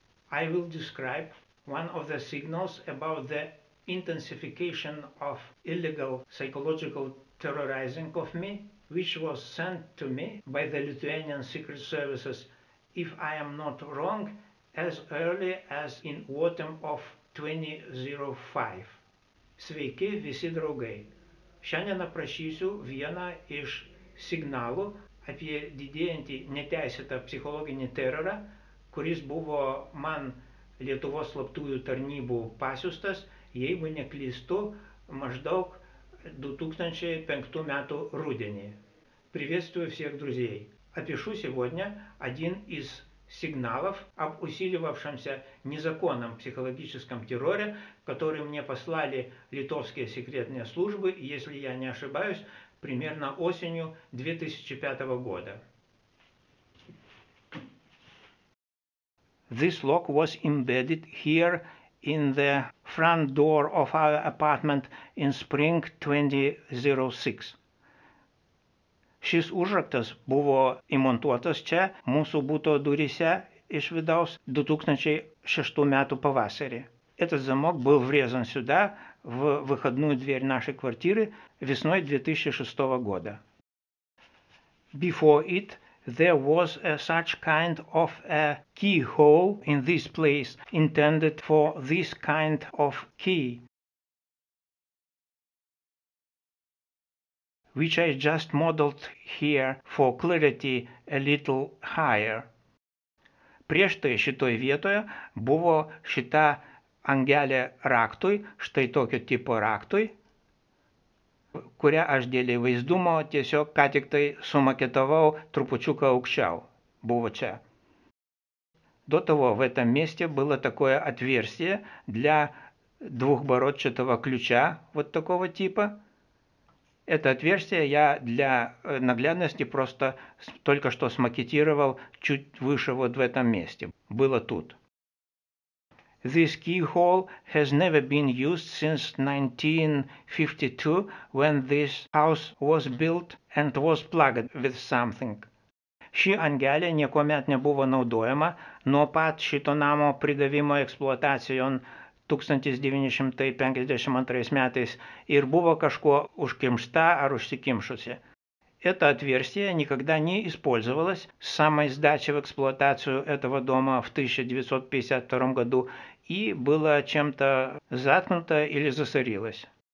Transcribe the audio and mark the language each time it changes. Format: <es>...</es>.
<en>I will describe one of the signals about the intensification of illegal psychological terrorizing of me, which was sent to me by the Lithuanian secret services, if I am not wrong, as early as in autumn of 2005.</en> <lt>Sveiki visi draugai. Šiandien aprašysiu vieną iš signalų apie didėjantį neteisėtą psichologinį terorą, kuris buvo man Lietuvos slaptųjų tarnybų pasiūstas, jeigu neklystu, maždaug 2005 metų rudenį.</lt> <ru>Приветствую всех друзей. Опишу сегодня один из сигналов об усиливавшемся незаконном психологическом терроре, который мне послали литовские секретные службы, если я не ошибаюсь, примерно осенью 2005 года.</ru> <en>This lock was embedded here in the front door of our apartment in spring 2006.</en> <lt>Šis užraktas buvo įmontuotas čia mūsų buto duryse iš vidaus 2006 metų pavasarį.</lt> <ru>Этот замок был врезан сюда в выходную дверь нашей квартиры весной 2006 года.</ru> <en>Before it there was a such kind of a keyhole in this place intended for this kind of key, which I just modeled here for clarity a little higher.</en> <lt>Prieš tai šitoje vietoje buvo šita angelė raktui, štai tokio tipo raktui, kurią aš dėl vaizdumo tiesiog ką tik tai sumaketavau trupučiuką aukščiau. Buvo čia.</lt> <ru>Do того в этом месте было такое отверстие для двухбородчатого ключа вот такого типа. Это отверстие я для наглядности просто только что смакетировал чуть выше вот в этом месте. Было тут.</ru> <en>This keyhole has never been used since 1952, when this house was built and was plugged with something.</en> <lt>Ši angelė niekuomet nebuvo naudojama nuo pat šito namo pridavimo eksploatacijon 1952 metais ir buvo kažkuo užkimšta ar užsikimšusi.</lt> <ru>Это отверстие никогда не использовалось с самой сдачи в эксплуатацию этого дома в 1952 году и было чем-то заткнуто или засорилось.</ru>